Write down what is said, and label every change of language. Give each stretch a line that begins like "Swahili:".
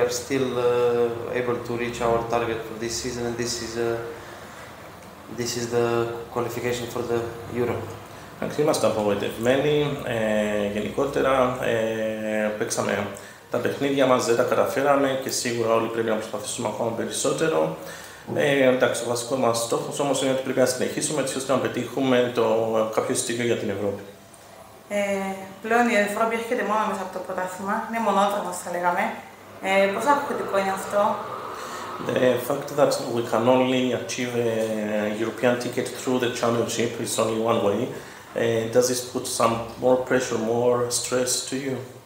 English: And we are still able to reach our target for this season. And this is the qualification for the Euro.
Greek: Είμαστε απογοητευμένοι. Γενικότερα, παίξαμε τα παιχνίδια μας, δεν τα καταφέραμε και σίγουρα όλοι πρέπει να προσπαθήσουμε ακόμα περισσότερο. Εντάξει, ο βασικό μας στόχος όμως είναι ότι πρέπει να συνεχίσουμε έτσι ώστε να πετύχουμε κάποιο στίγμα για την Ευρώπη. Πλέον η Ευρώπη έρχεται μόνο μέσα από το πρωτάθλημα, είναι μονόδρομος θα λέγαμε. Πόσο αποκλειστικό είναι αυτό?
English: The fact that we can only achieve a European ticket through the championship is only one way. Does this put some more pressure, more stress to you?